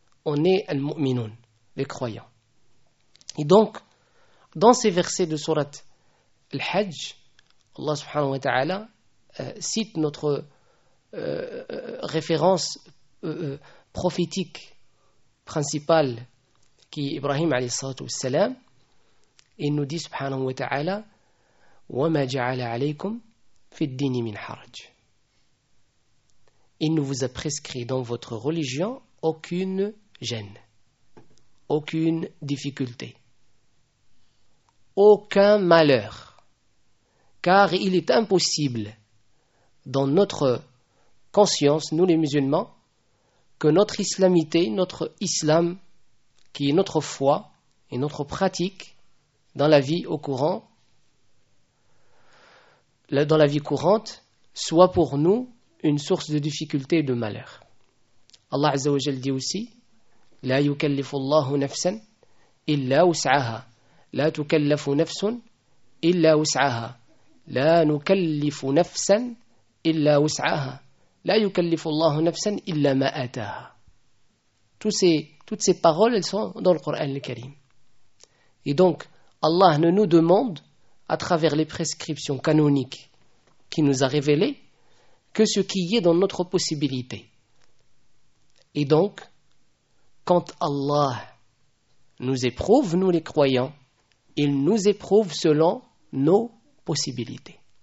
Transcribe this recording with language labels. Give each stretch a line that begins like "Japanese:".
French: On est al-mu'minun, les croyants. Et donc, dans ces versets de surat al-Hajj, Allah subhanahu wa ta'ala cite notre référence prophétique principale qui est Ibrahim alayhi salatu wa salam. Il nous dit subhanahu wa ta'ala,
Arabic: وَمَا جَعَلَ عَلَيْكُمْ فِي الدِّينِ مِنْ حَرَجٍ.
French: Il ne vous a prescrit dans votre religion aucune gêne, aucune difficulté, aucun malheur. Car il est impossible dans notre conscience, nous les musulmans, que notre islamité, notre islam, qui est notre foi et notre pratique dans la vie au courant, dans la vie courante, soit pour nous une source de difficulté et de malheur. Allah Azza wa Jal dit aussi,
Arabic: لا يكلف الله نفسا إلا وسعها لا تكلف نفس إلا وسعها لا نكلف نفسا إلا وسعها لا يكلف الله نفسا إلا ما آتاها.
French: Toutes ces paroles, elles sont dans le Coran le Karim. Et donc, Allah ne nous demande, à travers les prescriptions canoniques qu'il nous a révélées, que ce qui est dans notre possibilité. Et donc, quand Allah nous éprouve, nous les croyants, il nous éprouve selon nos possibilités.